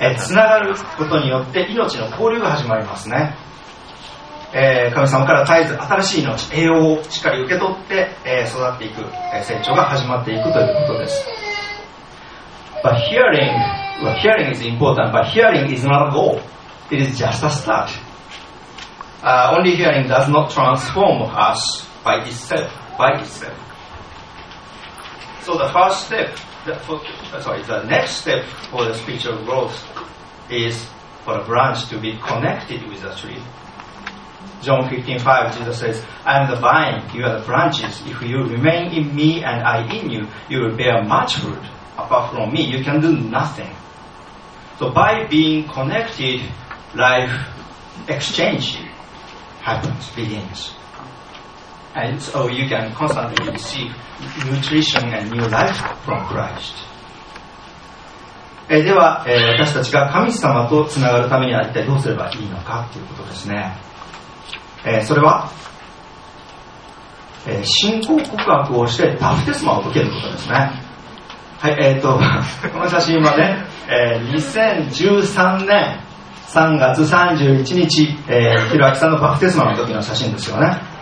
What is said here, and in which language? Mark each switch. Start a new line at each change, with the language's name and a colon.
Japanese: つながることによって命の交流が始まりますね。神様から絶えず新しい命、栄養をしっかり受け取って、育っていく、成長が始まっていくということです。
English: But hearing, well, hearing is important, but hearing is not a goal. It is just a startonly hearing does not transform us by itself. So the first step, the next step for the spiritual growth is for a branch to be connected with the tree. John 15:5, Jesus says, I am the vine, you are the branches. If you remain in me and I in you, you will bear much fruit. Apart from me, you can do nothing. So by being connected, life exchanges. Happens, begins. And so you can constantly receive nutrition and new life from Christ.
Japanese: では、私たちが神様とつながるためには一体どうすればいいのかということですね。それは、信仰告白をしてバプテスマを受けることですね。はい、この写真はね、2013年3月31日、ひろあきさんのバプテスマの時の写真ですよね。